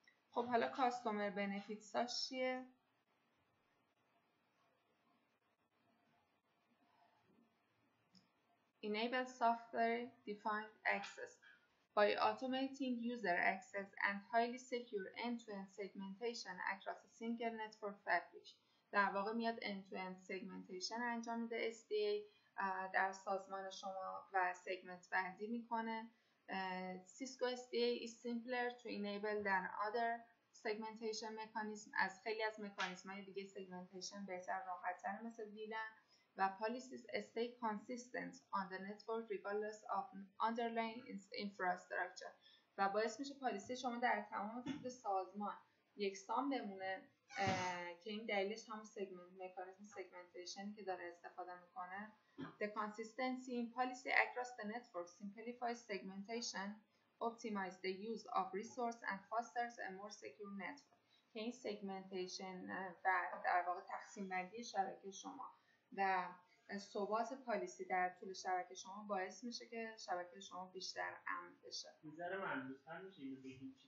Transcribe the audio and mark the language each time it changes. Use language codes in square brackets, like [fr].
[fa] خب حالا کاستومر بنفیتس ها چیه؟ [en] Enable software defined access by automating user access and highly secure end-to-end segmentation across a single network fabric. [fa] در واقع میاد end-to-end segmentation انجام میده SDA در سازمان شما و سگمنت بندی میکنه. [en] Cisco SDA is simpler to enable than other segmentation mechanism. [fa] از خیلی از مکانیزم های دیگه segmentation بهتر راحت‌تر مثل ویلن. [en] و policies stay consistent on the network regardless of underlying infrastructure. [fa] و باعث میشه پالیسی شما در تمام طول سازمان یکسان بمونه که این دلیلش هم segmentation که داره استفاده میکنه. [en] The consistency in policy across the network simplifies segmentation, optimize the use of resource and fosters a more secure network. [fa] که این segmentation و در واقع تقسیم بندی شبکه شما و ثبات پالیسی در طول شبکه شما باعث میشه که شبکه شما بیشتر امن بشه. نظر من دوستان میشه اینو بگیم چی